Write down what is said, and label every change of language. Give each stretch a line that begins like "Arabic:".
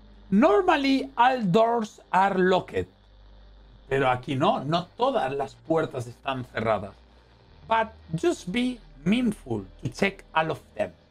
English: Normally all doors are locked.
Spanish: Pero aquí no, no todas las puertas están cerradas.
English: But just be mindful to check all of them.